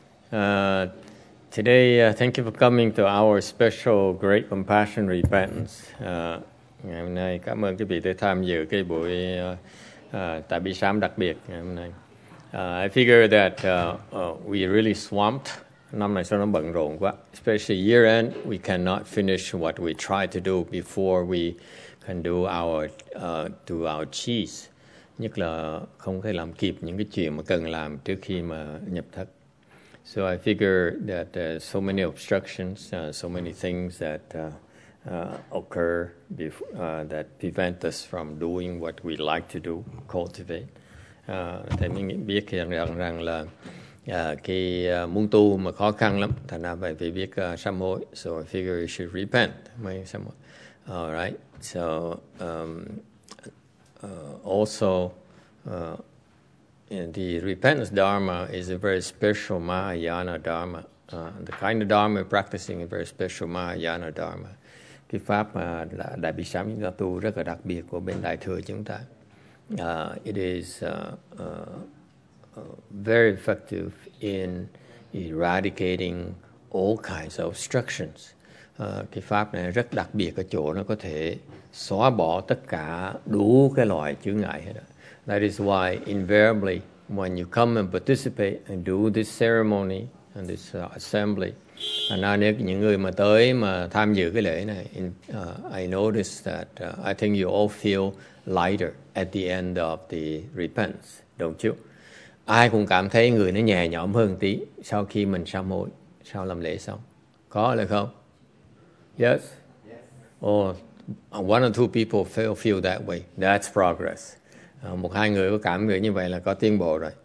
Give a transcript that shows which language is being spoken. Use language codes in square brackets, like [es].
[en] Today, thank you for coming to our special Great Compassion Repentance. [vi] Ngày hôm nay, cảm ơn quý vị đã tham dự cái buổi tại bi sám đặc biệt ngày hôm nay. [en] I figure that we really swamped. [vi] Năm nay sao nó bận rộn quá. [en] Especially year end, we cannot finish what we try to do before we can do our chis. [vi] Nhất là không thể làm kịp những cái chuyện mà cần làm trước khi mà nhập thất. [en] So I figure that so many obstructions, so many things that occur before, that prevent us from doing what we like to do, cultivate. [vi] Thầy mình biết rằng là khi muốn tu mà khó khăn lắm, thành ra phải biết sám hối. [en] So I figure you should repent. All right. So also, the repentance dharma is a very special Mahayana dharma. The kind of dharma we're practicing is a very special Mahayana dharma. [vi] Cái pháp mà đại bi sám chúng ta tu rất là đặc biệt của bên đại thừa chúng ta. [en] It is very effective in eradicating all kinds of obstructions. [vi] Cái pháp này rất đặc biệt ở chỗ nó có thể xóa bỏ tất cả đủ cái loại chướng ngại hết đó. [en] That is why invariably when you come and participate and do this ceremony and this assembly, and now [vi] những người mà tới mà tham dự cái lễ này, [en] I notice that I think you all feel lighter at the end of the repentance, don't you? [vi] Ai cũng cảm thấy người nó nhẹ nhõm hơn tí sau khi mình sám hối, sau làm lễ xong. Có là không? [en] Yes. Or one or two people feel that way. That's progress. [vi] Một hai người có cảm nghĩ như vậy là có tiến bộ rồi.